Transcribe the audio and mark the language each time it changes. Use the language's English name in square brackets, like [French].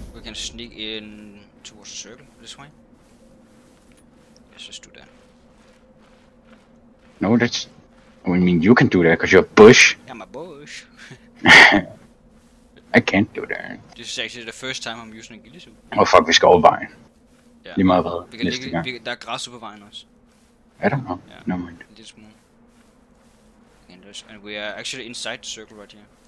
[English] We can sneak in towards the circle this way. Let's just do that. No, that's. I mean, you can do that because you're a bush. I'm a bush. I can't do that. This is actually the first time I'm using a ghillie suit. Oh fuck, [Danish] vi skal over vejen. [English] Yeah. [Danish] Lige meget hvad, næste gang. Der er græs på vejen også. [English] I don't know, yeah. Never mind. This one. And we are actually inside the circle right here.